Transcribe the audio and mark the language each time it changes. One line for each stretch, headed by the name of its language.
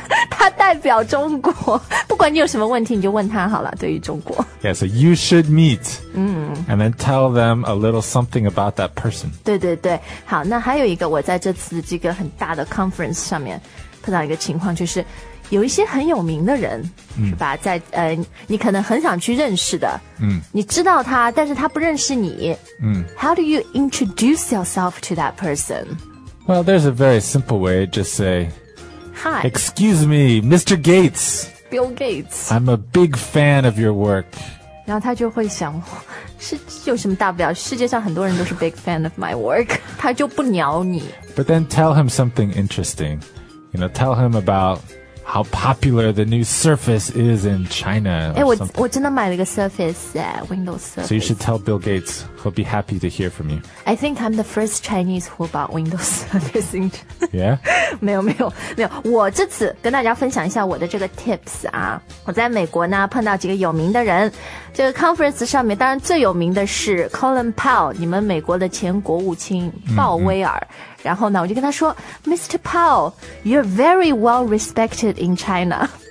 Chinese: 他代表中国不管你有什么问题你就问他好了对于中国
English: Yeah, so you should meet、and then tell them a little something about that person
Chinese: 对对对好那还有一个我在这次这个很大的 conference 上面碰到一个情况就是有一些很有名的人、嗯、是吧在你可能很想去认识的嗯你知道他但是他不认识你嗯
English: How do you introduce yourself to that person? Well, there's a very simple way, just say Hi Excuse me, Mr. Gates Bill Gates I'm a big fan of your work
Chinese: 然后他就会想是有什么大不了世界上很多人都是
English: big fan of my work
Chinese: 他就不鸟你
English: But then tell him something interesting You know, tell him aboutHow popular the new Surface is in China.
Chinese: 欸我真的买了一个 Surface, Windows Surface.
English: So you should tell Bill Gates. He'll be happy to hear from you. I think I'm the first Chinese who bought Windows Surface in China. Yeah?
Chinese: 没有。我这次跟大家分享一下我的这个 tips 啊。我在美国呢碰到几个有名的人。这个 conference 上面当然最有名的是 Colin Powell, 你们美国的前国务卿鲍威尔。嗯嗯然后呢我就跟他说
English: Mr. Powell, you're very well respected in China.